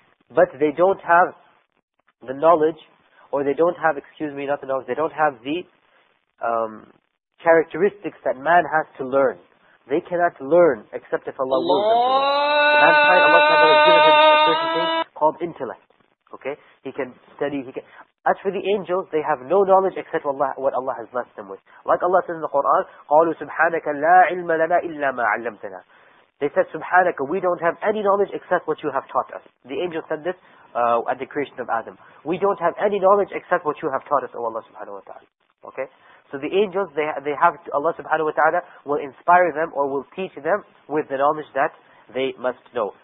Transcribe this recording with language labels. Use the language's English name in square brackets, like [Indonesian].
[English] But they don't have the knowledge, or they don't have, excuse me, not the knowledge, they don't have the characteristics that man has to learn. They cannot learn except if Allah wills them to learn. Mankind, Allah subhanahu wa ta'ala has given them certain things called intellect. Okay? He can study, As for the angels, they have no knowledge except what Allah has blessed them with. Like Allah says in the Quran, [Arabic] قَالُوا سُبْحَانَكَ لَا عِلْمَ لَنَا إِلَّا مَا عَلَّمْتَنَا. [English] They said, Subhanaka, we don't have any knowledge except what you have taught us. The angel said this at the creation of Adam. We don't have any knowledge except what you have taught us, O Allah subhanahu wa ta'ala. Okay? So the angels, they have, Allah subhanahu wa ta'ala will inspire them or will teach them with the knowledge that they must know.